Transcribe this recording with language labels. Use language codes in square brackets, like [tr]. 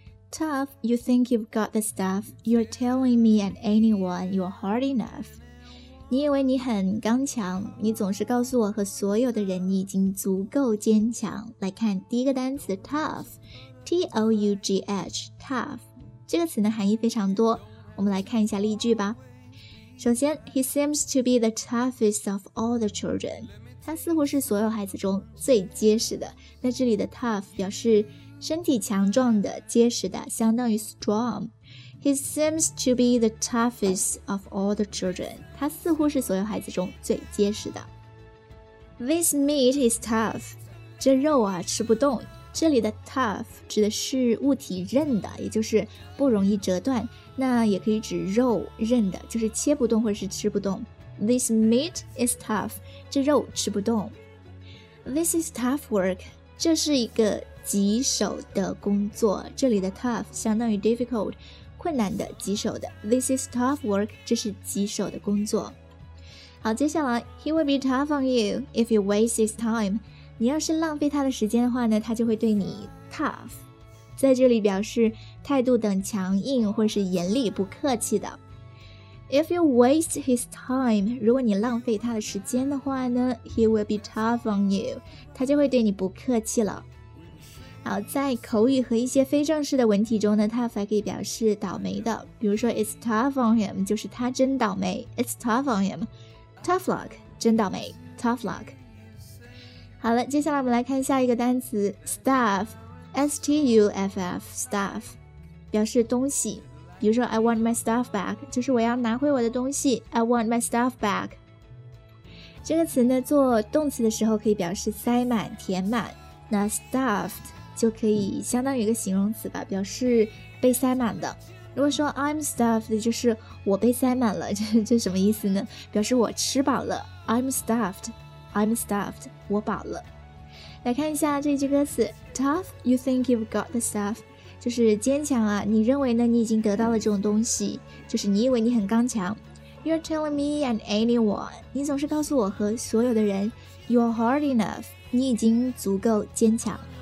[en] Tough, you think you've got the stuff, you're telling me and anyone you're hard enough. [zh] 你以为你很刚强，你总是告诉我和所有的人你已经足够坚强。来看第一个单词 tough, T-O-U-G-H, tough. 这个词呢含义非常多，我们来看一下例句吧。 [en] 首先 he seems to be the toughest of all the children. [zh] 他似乎是所有孩子中最结实的。那这里的 tough 表示身体强壮的、结实的，相当于 strong. [en] He seems to be the toughest of all the children. [zh] 他似乎是所有孩子中最结实的。 [en] This meat is tough. [zh] 这肉啊，吃不动。这里的 tough 指的是物体韧的，也就是不容易折断。那也可以指肉韧的，就是切不动或者是吃不动。 [en] This meat is tough. [zh] 这肉吃不动。 [en] This is tough work. [zh] 这是一个棘手的工作，这里的 tough 相当于 difficult， 困难的、棘手的。 [en] This is tough work， [zh] 这是棘手的工作。好，接下来 [en] He will be tough on you if you waste his time， [zh] 你要是浪费他的时间的话呢，他就会对你 tough， 在这里表示态度等强硬或是严厉不客气的。 [en] If you waste his time， [zh] 如果你浪费他的时间的话呢， [en] He will be tough on you， [zh] 他就会对你不客气了。好，在口语和一些非正式的文体中呢， tough 还可以表示倒霉的，比如说 [en] it's tough on him， [zh] 就是他真倒霉， it's tough on him， [en] tough luck， [zh] 真倒霉， tough luck。好了，接下来我们来看下一个单词 stuff， S-T-U-F-F， stuff 表示东西，比如说 [en] I want my stuff back， [zh] 就是我要拿回我的东西， I want my stuff back。这个词呢做动词的时候可以表示塞满、填满，那 stuffed就可以相当于一个形容词吧，表示被塞满的。如果说 [en] I'm stuffed， [zh] 就是我被塞满了，这什么意思呢？表示我吃饱了。 [en] I'm stuffed， [zh] 我饱了。来看一下这句歌词 ， [en] Tough， you think you've got the stuff， [zh] 就是坚强啊，你认为呢你已经得到了这种东西，就是你以为你很刚强。 [en] You're telling me and anyone， [zh] 你总是告诉我和所有的人 ， [en] You're hard enough， [zh] 你已经足够坚强。